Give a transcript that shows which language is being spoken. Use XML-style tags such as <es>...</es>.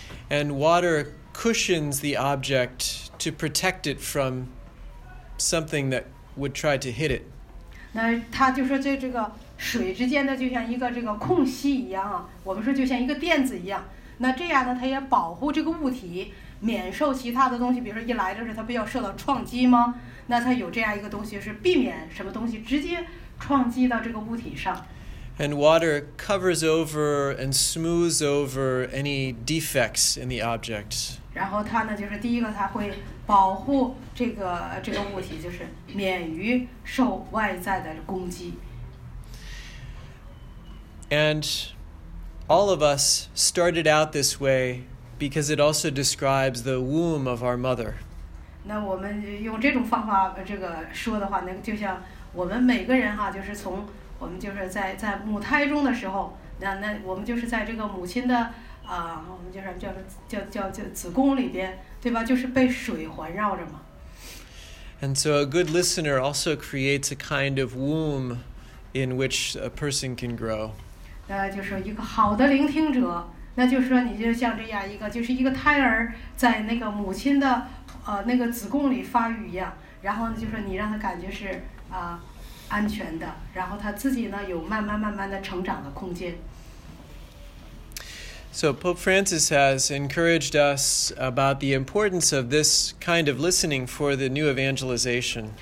<en>And water cushions the object to protect it from something that would try to hit it.</en> <zh>那它就说这个水之间的就像一个这个空隙一样啊，我们说就像一个垫子一样。那这样呢，它也保护这个物体。免受其他的东西，比如说一来就是它不要受到撞击吗？那它有这样一个东西是避免什么东西直接撞击到这个物体上。</zh> <en>And water covers over and smooths over any defects in the object.</en> <zh>然后它呢，就是第一个，它会保护这个物体，就是免于受外在的攻击。</zh> <en>And all of us started out this way. Because it also describes the womb of our mother.</en> <zh>那我们用这种方法这个说的话，那就像我们每个人哈，就是从我们就是在母胎中的时候，那我们就是在这个母亲的我们叫什么叫子宫里边，对吧？就是被水环绕着嘛。</zh> <en>And so a good listener also creates a kind of womb in which a person can grow.</en> <zh>那就是一个好的聆听者。那就是说你就像这样一个就是一个胎儿在那个母亲的那个子宫里发育一样，然后呢就是说你让他感觉是安全的，然后他自己呢有慢慢慢慢的成长的空间。</zh> <en>So Pope Francis has encouraged us about the importance of this kind of listening for the new evangelization.</en>